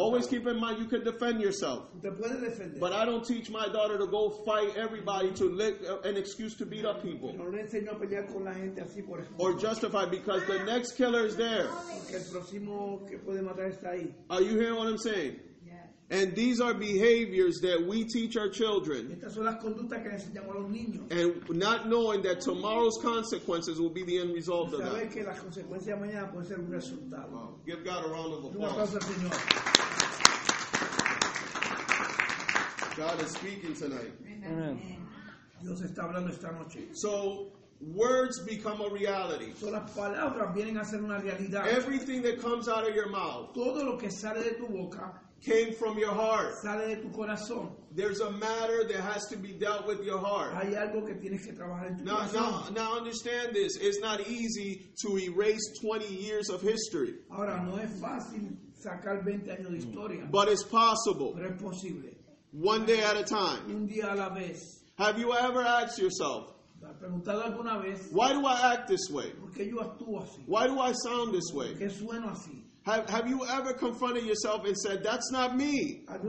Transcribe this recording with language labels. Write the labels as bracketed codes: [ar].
[en] Always keep in mind you can defend yourself. [es] Te puede defender. [en] But I don't teach my daughter to go fight everybody to look an excuse to beat [es] no, [en] up people. [es] No le enseño a pelear con la gente así, por ejemplo. [en] Or justify because the next killer is there. [es] Porque el próximo que puede matar está ahí. [en] Are you hearing what I'm saying? And these are behaviors that we teach our children. [es] Estas son las conductas que enseñamos a los niños. [en] And not knowing that tomorrow's consecuences will be the end result of that. [es] Que las consecuencias de mañana pueden ser un resultado. [en] Wow. Give God a round of applause. [es] Un aplauso al Señor. [en] God is speaking tonight. Amen. [es] Dios está hablando esta noche. [en] So words become a reality. [es] So las palabras vienen a ser una realidad. [en] Everything that comes out of your mouth. [es] Todo lo que sale de tu boca. [en] Came from your heart. [es] Sale de tu corazón. [en] There's a matter that has to be dealt with your heart. [es] Hay algo que tienes que trabajar en tu corazón. [en] Now understand this. It's not easy to erase 20 years of history. [es] Ahora, no es fácil sacar 20 años de historia. [en] But it's possible. [es] Pero es posible. [en] One day at a time. [es] Un día a la vez. [en] Have you ever asked yourself, [es] preguntado alguna vez, [en] why do I act this way? [es] ¿Por qué yo actúo así? [en] Why do I sound this way? [es] ¿Por qué sueno así? [en] Have you ever confronted yourself and said, that's not me?